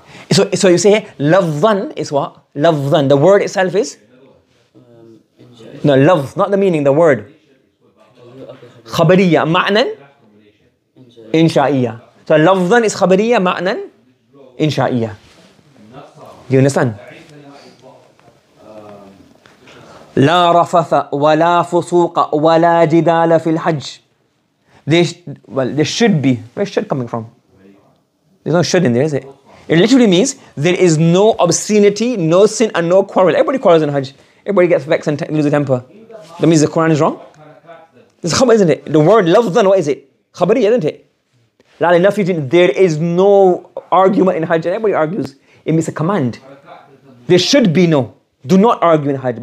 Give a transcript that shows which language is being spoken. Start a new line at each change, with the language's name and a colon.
English: So you say, لَفْظًا is what? لَفْظًا. The word itself is? No, love, not the meaning, the word.
Arabic: خَبَرِيَّ مَعْنًا إِنْشَائِيَّ. So لَفْظًا is خَبَرِيَّ مَعْنًا إِنْشَائِيَّ.
English: Do you understand?
Arabic: لا رفث ولا فسوق ولا جدال في الحج.
English: There should be. Where is should coming from? There's no should in there, is it? It literally means there is no obscenity, no sin, and no quarrel. Everybody quarrels in Hajj. Everybody gets vexed and loses their temper. That means the Quran is wrong. It's khabar, isn't it? The word lafzan, what is it? Khabari, isn't it? La linafijin, there is no argument in Hajj. Everybody argues. It means a command. There should be no. Do not argue in Hajj.